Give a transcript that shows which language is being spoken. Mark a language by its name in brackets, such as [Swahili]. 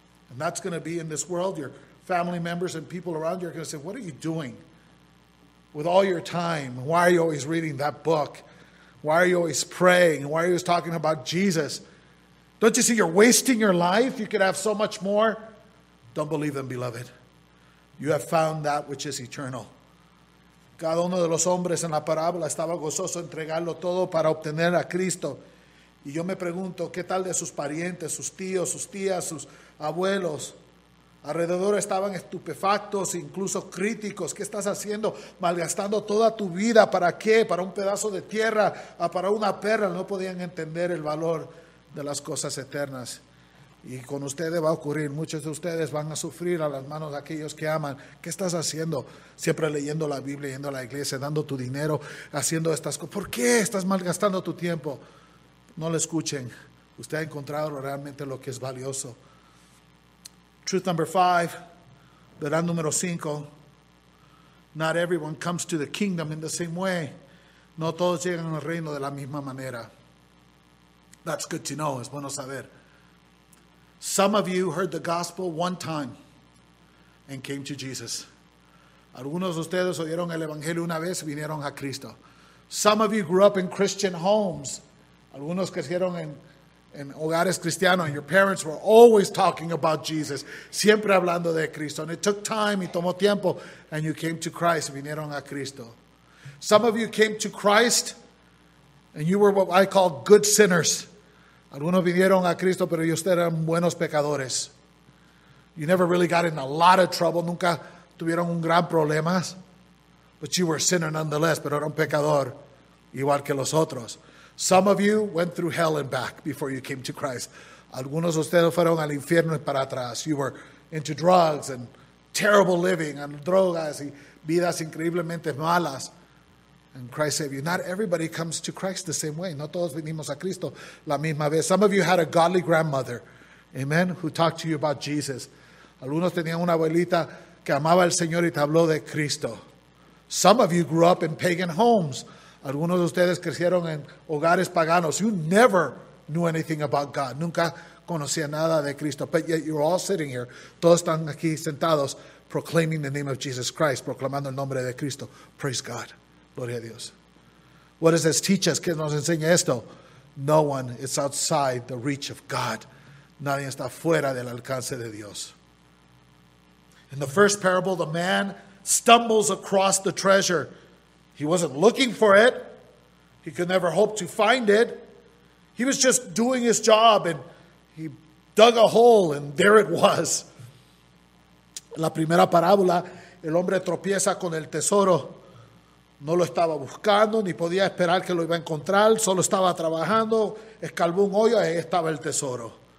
[English] And that's going to be in this world. Your family members and people around you are going to say, what are you doing with all your time? Why are you always reading that book? Why are you always praying? Why are you always talking about Jesus? Don't you see you're wasting your life? You could have so much more. Don't believe them, beloved. You have found that which is eternal. [Spanish] Cada uno de los hombres en la parábola estaba gozoso entregarlo todo para obtener a Cristo. Y yo me pregunto, ¿qué tal de sus parientes, sus tíos, sus tías, sus abuelos? Alrededor estaban estupefactos, incluso críticos. ¿Qué estás haciendo? Malgastando toda tu vida, ¿para qué? ¿Para un pedazo de tierra? ¿Para una perra? No podían entender el valor de las cosas eternas. Y con ustedes va a ocurrir, muchos de ustedes van a sufrir a las manos de aquellos que aman. ¿Qué estás haciendo? Siempre leyendo la Biblia, yendo a la iglesia, dando tu dinero, haciendo estas cosas. ¿Por qué estás malgastando tu tiempo? No le escuchen. Usted ha encontrado realmente lo que es valioso. [English] Truth number 5, [Spanish] verdad número 5. [English] Not everyone comes to the kingdom in the same way. [Spanish] No todos llegan al reino de la misma manera. [English] That's good to know. [Spanish] Es bueno saber. [English] Some of you heard the gospel one time and came to Jesus. [Spanish] Algunos de ustedes oyeron el evangelio una vez y vinieron a Cristo. [English] Some of you grew up in Christian homes. [Spanish] Algunos crecieron en hogares cristianos, [English] and your parents were always talking about Jesus, [Spanish] siempre hablando de Cristo. [English] And it took time, [Spanish] y tomó tiempo, [English] and you came to Christ, [Spanish] vinieron a Cristo. [English] Some of you came to Christ and you were what I call good sinners. [Spanish] Algunos vinieron a Cristo, pero ellos eran buenos pecadores. [English] You never really got in a lot of trouble. [Spanish] Nunca tuvieron un gran problema. [English] But you were a sinner nonetheless, [Spanish] pero era un pecador, igual que los otros. [English] Some of you went through hell and back before you came to Christ. [Spanish] Algunos de ustedes fueron al infierno y para atrás. [English] You were into drugs and terrible living and [Spanish] drogas y vidas increíblemente malas. [English] And Christ saved you. Not everybody comes to Christ the same way. [Spanish] No todos vinimos a Cristo la misma vez. [English] Some of you had a godly grandmother, amen, who talked to you about Jesus. [Spanish] Algunos tenían una abuelita que amaba al Señor y te habló de Cristo. [English] Some of you grew up in pagan homes. [Spanish] Algunos de ustedes crecieron en hogares paganos. [English] You never knew anything about God. [Spanish] Nunca conocía nada de Cristo. [English] But yet you're all sitting here. [Spanish] Todos están aquí sentados [English] proclaiming the name of Jesus Christ, [Spanish] proclamando el nombre de Cristo. [English] Praise God. [Spanish] Gloria a Dios. [English] What does this teach us? [Spanish] ¿Qué nos enseña esto? [English] No one is outside the reach of God. [Spanish] Nadie está fuera del alcance de Dios. [English] In the first parable, the man stumbles across the treasure. He wasn't looking for it. He could never hope to find it. He was just doing his job and he dug a hole and there it was. [Spanish] La primera parábola, el hombre tropieza con el tesoro. No lo estaba buscando, ni podía esperar que lo iba a encontrar. Solo estaba trabajando, escarbó un hoyo, ahí estaba el tesoro.